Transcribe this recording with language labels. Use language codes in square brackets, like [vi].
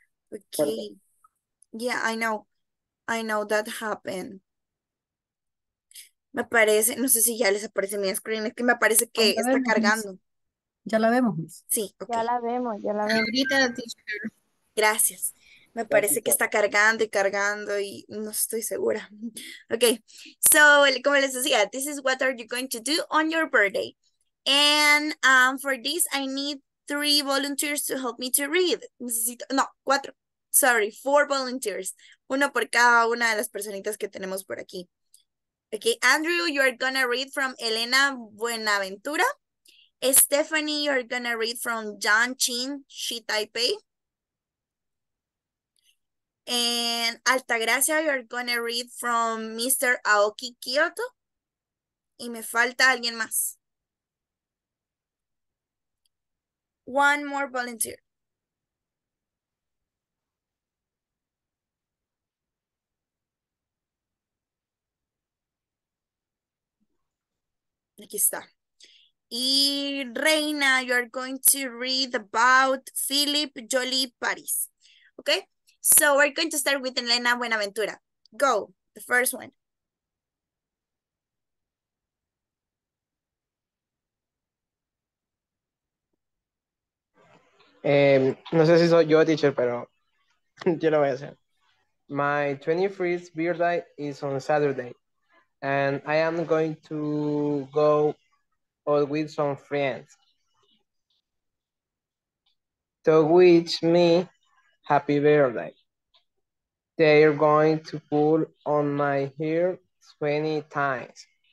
[en] Ok. Fuerte. Yeah, I know that happened. [es] Me parece, no sé si ya les aparece mi screen, es que me parece que ya está cargando. Ya la vemos, Miss. Sí, okay. Ya la vemos. Ahorita, teacher. Gracias. Me parece que está cargando y no estoy segura. [en] Okay, so, [es] como les decía, [en] this is what are you going to do on your birthday. And for this, I need 3 volunteers to help me to read. [es] Necesito, no, 4. [en] Sorry, 4 volunteers. [es] Uno por cada una de las personitas que tenemos por aquí. [en] Okay, Andrew, you are gonna read from Elena Buenaventura. Stephanie, you are gonna read from John Chin, Shi Taipei. And Altagracia, you are gonna read from Mr. [es] Aoki Kyoto. Y me falta alguien más. [en] One more volunteer. [es] Aquí está. [en] Y Reina, you are going to read about Philip Jolly Paris. Okay? So we're going to start with Elena Buenaventura. Go, the first one. [es] No sé si soy yo, teacher, pero yo lo voy a hacer. [en] My 23rd birthday is on Saturday. And I am going to go out with some friends. To wish me happy birthday. They are going to pull on my hair 20 times.